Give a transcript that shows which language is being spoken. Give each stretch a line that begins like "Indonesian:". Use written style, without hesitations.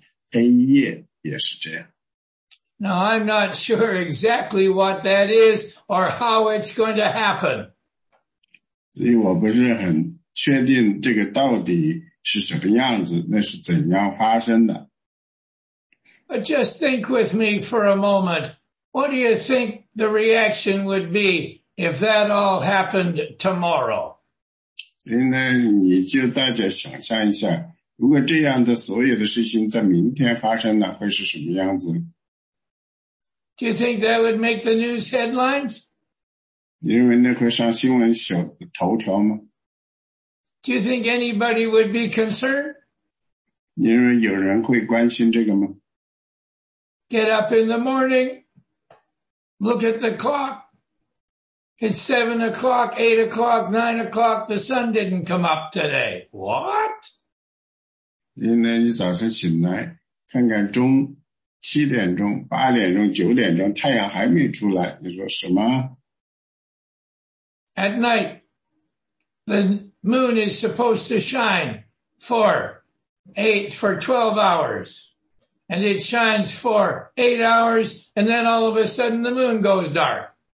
Chinese: 第十二节说的第四位天使吹号，日头的三分之一，月亮的三分之一，星辰的三分之一都被击打，以致日月星的三分之一黑暗了，白昼的三分之一没有光，黑夜也是这样。
English: Now I'm not sure exactly what that is or how it's going to happen.
Chinese: 所以我不是很确定这个到底是什么样子，那是怎样发生的。
English: But just think with me for a moment. What do you think the reaction would be if that all happened tomorrow?
Chinese: 所以呢，你就大家想象一下，如果这样的所有的事情在明天发生了，会是什么样子？
English: Do you think that would make the news headlines?
Chinese: 你认为那会上新闻头条吗？
English: Do you think anybody would be concerned?
Chinese: 你认为有人会关心这个吗？
English: Get up in the morning, look at the clock. It's 7 o'clock, 8 o'clock, 9 o'clock, the sun didn't come up today. What?
Chinese: 你早上醒来，看看钟。七点钟，八点钟，九点钟，太阳还没出来，你说什么？
English: At night, the moon is supposed to shine for 12 hours. And it shines for 8 hours, and then all of a sudden the moon goes dark.